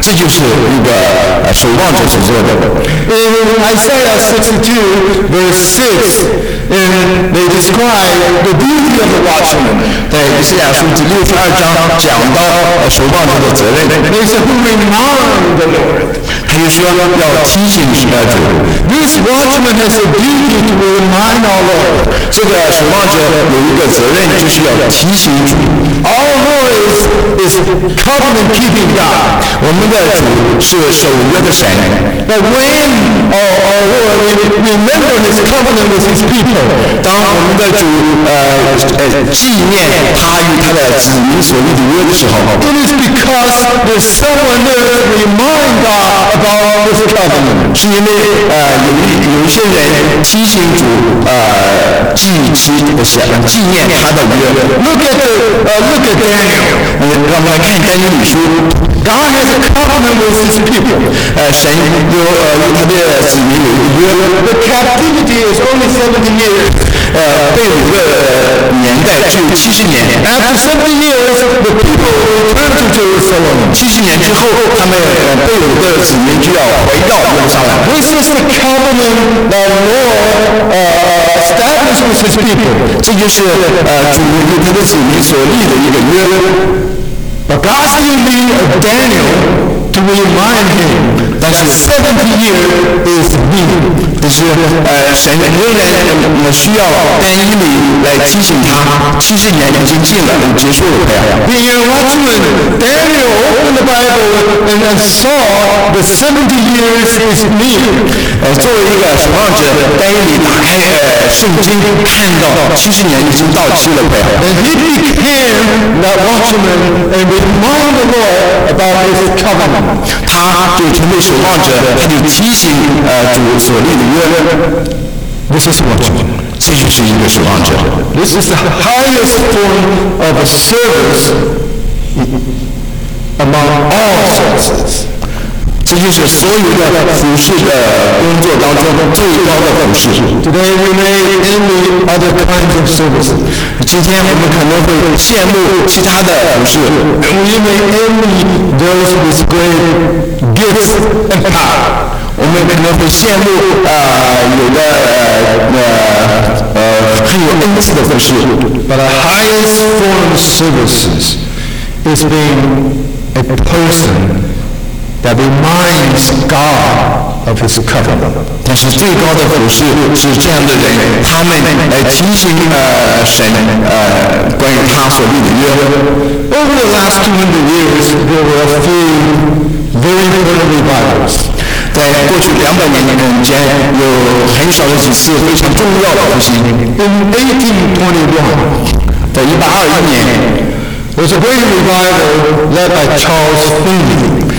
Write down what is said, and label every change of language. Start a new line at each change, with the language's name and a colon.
Chinese: 这就是一个守望者所做的。
English: In Isaiah 62 verse 6, and they describe the duty of the watchman.
Chinese: 在以赛亚书第六十二章讲到守望者的责任。
English: They say, who remind the Lord?
Chinese: 他就说要提醒主的主。
English: This watchman has a duty to remind our Lord.
Chinese: 这个守望者有一个责任，就是要提醒主。
English: Our Lord is covenant-keeping God.
Chinese: 我们的主是守约的神。
English: But when our Lord remember His covenant with His people,
Chinese: 当我们的主纪念他与他的子民所立的约的时候
English: ，It is because there's someone there to remind God about this covenant.
Chinese: 是因为有些人提醒主纪念他的约。
English: Look at Daniel.
Chinese: 让我们来看丹尼里书。
English: God has a covenant with His people.
Chinese: 神有他的子民有约。
English: The captivity is only 70 years.
Chinese: 被掳的年代只有七十年。
English: After 70 years, the people return to Jerusalem.
Chinese: 七十年之后，他们被掳的子民就要回到耶路撒冷。
English: This is a covenant that the Lord established with His people.
Chinese: 这就是主与他的子民所立的一个约。
English: But God still needs Daniel to remind him that 70 years is needed.
Chinese: 但是神仍然需要丹尼里来提醒他，七十年已经近了，结束了呀。
English: Being a watchman, Daniel opened the Bible and saw the 70 years is needed.
Chinese: 作为一个守望者，丹尼里打开圣经，看到七十年已经到期了呀。
English: And he became that watchman and reminded the Lord about his covenant.
Chinese: 他就成为守望者，他就提醒主所立的约。
English: This is watchman.
Chinese: 这就是一个守望者。
English: This is the highest form of service among all services.
Chinese: 这就是所有的服事的工作当中最高的服事。
English: Today we may envy other kinds of service.
Chinese: 今天我们可能会羡慕其他的服事。
English: We may envy those with great gifts and power.
Chinese: 我们可能会羡慕有的很有恩赐的服事。
English: But the highest form of services is being a person that reminds God of His covenant.
Chinese: 但是最高的服事是这样的人，他们来提醒神关于他所立的约。
English: Over the last 200 years, there were a few very early revivals.
Chinese: 在过去两百年中间，有很少的几次非常重要的复兴。
English: In 1821,
Chinese: 在1821年
English: ，there was a great revival led by Charles Finney.